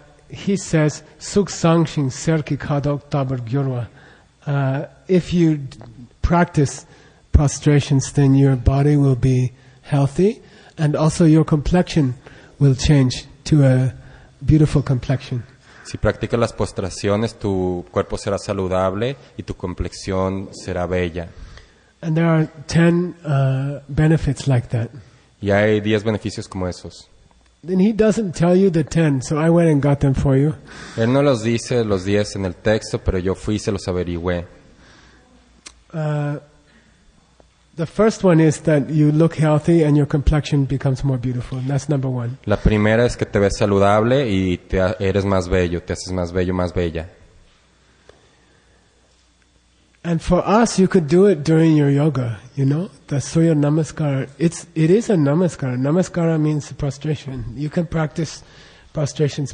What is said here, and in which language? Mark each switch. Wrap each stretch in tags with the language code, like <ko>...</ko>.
<en>He says,</en> <bo>"Suk sangshing serki kadok tabar gyurwa."</bo> <en>If you practice prostrations, then your body will be healthy, and also your complexion will change to a beautiful complexion.</en> <es>Si practicas las postraciones, tu cuerpo será saludable y tu complexión será bella.</es> <en>And there are 10 benefits like that.</en> <es>Y hay 10 beneficios como esos.</es> <en>Then he doesn't tell you the 10, so I went and got them for you.</en> <es>Él no los dice los 10 en el texto, pero yo fui y se los averigüé.</es> <en>The first one is that you look healthy and your complexion becomes more beautiful. That's number one.</en> <es>La primera es que te ves saludable y eres más bello, te haces más bello, más bella.</es> <en>And for us, you could do it during your yoga, you know? The Surya Namaskar, it is a Namaskar. Namaskara means prostration. You can practice prostrations.</en>